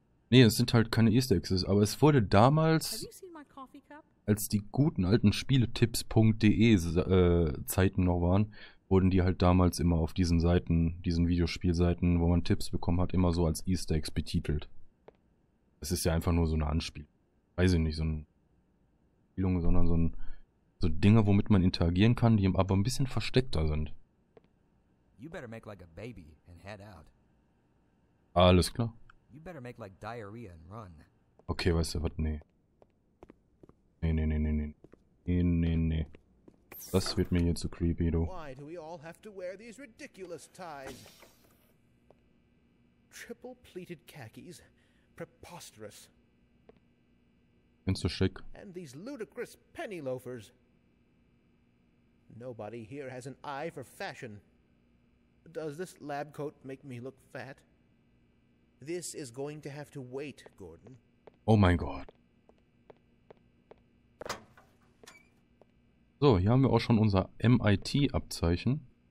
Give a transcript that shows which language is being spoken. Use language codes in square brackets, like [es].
[de] Nee, es sind halt keine Easter Eggs, aber es wurde damals, als die guten alten Spieletipps.de Zeiten noch waren, wurden die halt damals immer auf diesen Seiten, diesen Videospielseiten, wo man Tipps bekommen hat, immer so als Easter Eggs betitelt. Es ist ja einfach nur so eine Anspielung. Weiß ich nicht, so eine Spielung, sondern so ein, so Dinge, womit man interagieren kann, die aber ein bisschen versteckter sind. [en] You better make like a baby and head out. [de] Alles klar. [en] You better make like diarrhea and run. [de] Okay, weißt du was? Nee. Das wird mir hier zu creepy, du. [en] Why do we all have to wear these ridiculous ties? Triple pleated khakis. Preposterous. [de] Findest du schick? [en] And these ludicrous penny loafers. Nobody here has an eye for fashion. Does this lab coat make me look fat? This is going to have to wait, Gordon. [de] Oh mein Gott. So, hier haben wir auch schon unser MIT-Abzeichen.